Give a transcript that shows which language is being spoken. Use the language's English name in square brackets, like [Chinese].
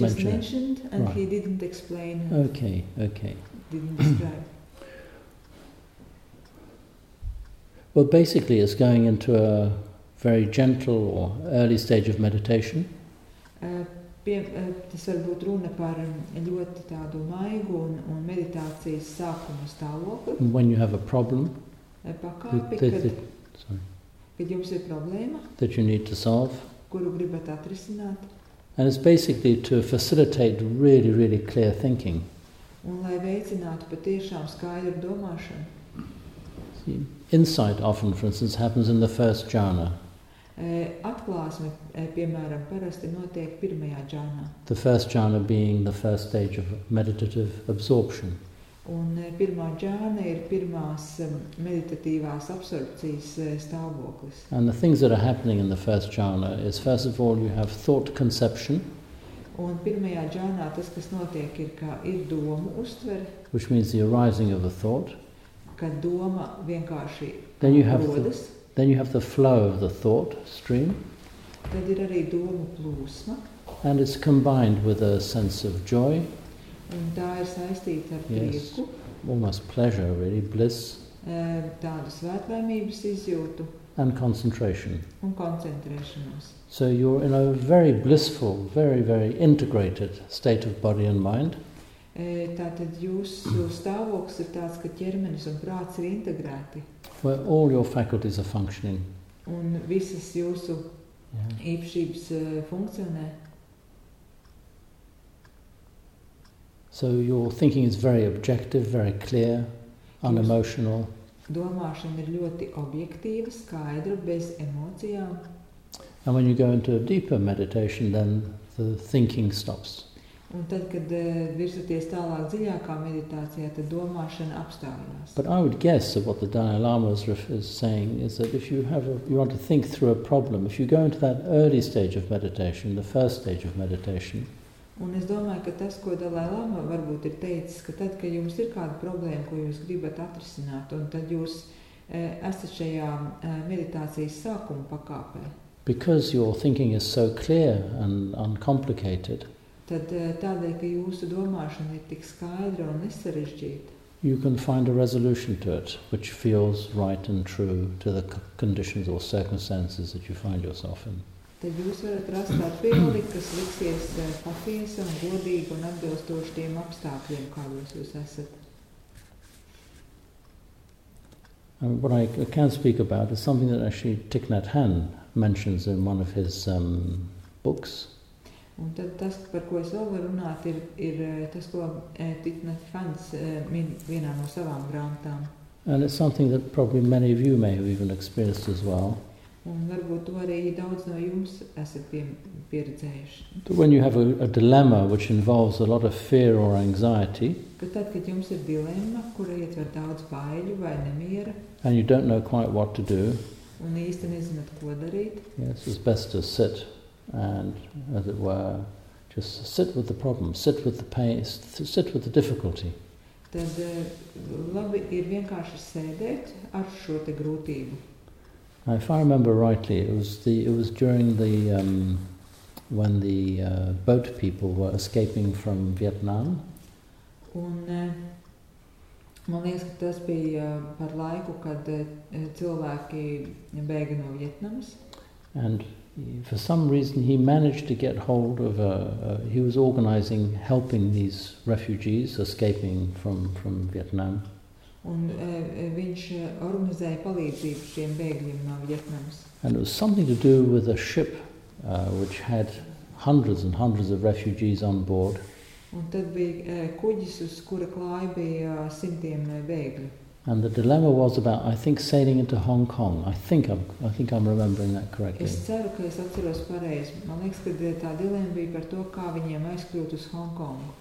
[English] mentioned and right. He didn't explain. Okay. Didn't describe. Well, basically, it's going into a very gentle or early stage of meditation. [Latvian] Tas varbūt runa par ļoti tādu maigu un meditācijas sākuma stāvokli. [English] When you have a problem. [Latvian] Kad jums ir problēma, [English] that you need to solve, [Latvian] kuru gribat atrisināt. [English] And it's basically to facilitate really, really clear thinking. [Latvian] Un lai veicinātu patiešām skaidru domāšanu. [English] See, insight often, for instance, happens in the first jhana. [Latvian] Atklāsme, piemēram, parasti notiek pirmajā džhānā. [English] The first jhana being the first stage of meditative absorption. [Latvian] Un pirmā džhāna ir pirmās meditatīvās absorpcijas stāvoklis. [English] And the things that are happening in the first jhāna is, first of all, you have thought conception. [Latvian] Un pirmajā džhānā tas, kas notiek, ir, ka ir domu uztvere. [English] Which means the arising of a thought. [Latvian] Kad doma vienkārši [English] then you have [Latvian] rodas. [English] Then you have the flow of the thought stream. [Latvian] Tad ir arī doma plūsma. [English] And it's combined with a sense of joy. [Latvian] Un tā ir saistīta ar prieku. [English] Yes, almost pleasure, really, bliss. [Latvian] Tādu svētlaimības izjūtu. [English] And concentration. [Latvian] Un koncentrēšanos. [English] So you're in a very blissful, very, very integrated state of body and mind. [Latvian] Tātad jūsu stāvoklis ir tāds, ka ķermenis un prāts ir integrēti. [English] Where all your faculties are functioning. [Latvian] Un visas jūsu īpašības funkcionē. [English] So your thinking is very objective, very clear, unemotional. [Latvian] Domāšana ir ļoti objektīva, skaidra, bez emocijām. [English] And when you go into a deeper meditation, then the thinking stops. [Latvian] Un tad, kad virzoties tālāk dziļākā meditācijā, tad domāšana apstājās. [English] But I would guess that what the Dalai Lama is saying is that if you have you want to think through a problem, if you go into that early stage of meditation, the first stage of meditation. [Latvian] Un es domāju, ka tas, ko Dalai Lama varbūt ir teicis, ka tad, kad jums ir kāda problēma, ko jūs gribat atrisināt, un tad jūs esat šajā meditācijas sākuma pakāpē. [English] Because your thinking is so clear and uncomplicated. [Latvian] Tad tādēļ, ka jūsu domāšana ir tik skaidra un nesarežģīta. [English] You can find a resolution to it, which feels right and true to the conditions or circumstances that you find yourself in. [Latvian] Tad jūs varat rast tādu pilni, kas liksies patiesa un godīga un atbilstoši tiem apstākļiem, kādos jūs esat. [English] And what I can speak about is something that actually Thich Nhat Hanh mentions in one of his books. [Latvian] Un tad tas, par ko es vēl varu runāt, ir tas, ko Thich Nhat Hanh min vienā no savām grāmatām. [English] And it's something that probably many of you may have even experienced as well. [Latvian] Un varbūt to arī daudz no jums esat pieredzējuši. [English] When you have a dilemma which involves a lot of fear or anxiety. [Latvian] Kad tad, kad jums ir dilemma, kura ietver daudz bailju vai nemiera. [English] And you don't know quite what to do. [Latvian] Un īsti nezināt, ko darīt. [English] Yes, it's best to sit and, as it were, just sit with the problem, sit with the pain, sit with the difficulty. [Latvian] Tad labi ir vienkārši sēdēt ar šo te grūtību. [English] If I remember rightly, it was during the when the boat people were escaping from Vietnam. [Latvian] Un man liekas, ka tas bija par laiku, kad cilvēki bēga no Vietnamas. [English] And for some reason he managed to get hold of he was organizing helping these refugees escaping from Vietnam. [Latvian] Un viņš organizēja palīdzību šiem bēgļiem no Vietnamas. [English] And it was something to do with a ship which had hundreds and hundreds of refugees on board. [Latvian] Un tad bija kuģis, uz kura klāja bija simtiem bēgļu. [English] And the dilemma was about, I think, sailing into Hong Kong. I think I'm remembering that correctly. [Latvian] Es ceru, ka es atceros pareizi. Man liekas, ka tā dilemma bija par to, kā viņiem aizkļūt uz Hong Kong.